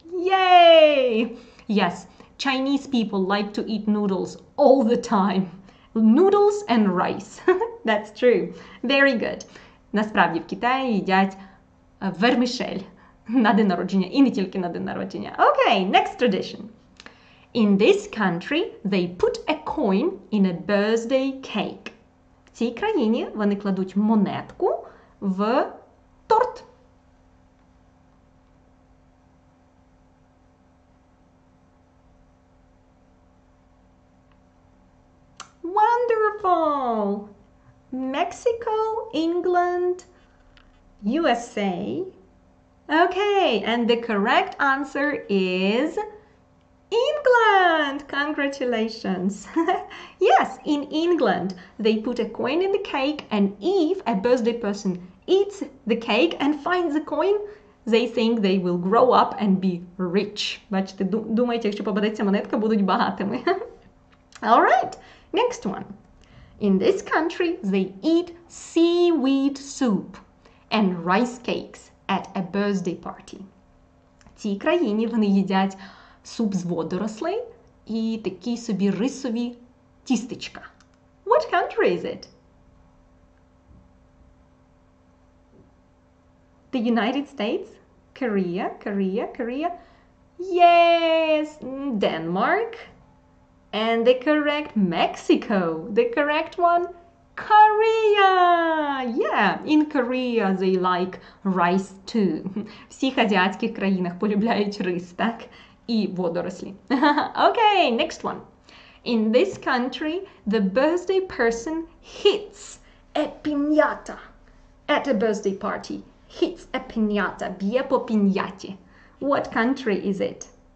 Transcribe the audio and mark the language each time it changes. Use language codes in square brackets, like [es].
[en] Yay! Yes, Chinese people like to eat noodles all the time Noodles and rice. That's true. Very good. [uk] Насправді в Китаї їдять вермішель на день народження і не тільки на день народження. [en] Okay, next tradition. In this country, they put a coin in a birthday cake. [uk] В цій країні вони кладуть монетку в торт. [en] Wonderful! Mexico, England, USA. Okay, and the correct answer is England! Congratulations! Yes, in England, they put a coin in the cake, and if a birthday person eats the cake and finds the coin, they think they will grow up and be rich. [uk] Бачите, думаєте, якщо попадеться монетка, будуть багатими. [en] All right, next one. In this country, they eat seaweed soup and rice cakes at a birthday party. [uk] В цій країні вони їдять суп з водорослей і такі собі рисові тістечка. [en] What country is it? The United States? Korea? Yes, Denmark. And the correct Mexico, the correct one, Korea. Yeah, in Korea they like rice too. [uk] Всіх азіатських країнах полюбляють рис, так? І водорослі. [en] Okay, next one. In this country, the birthday person hits a piñata at a birthday party. Hits a piñata, [uk] б'є по піняті. [en] What country is it?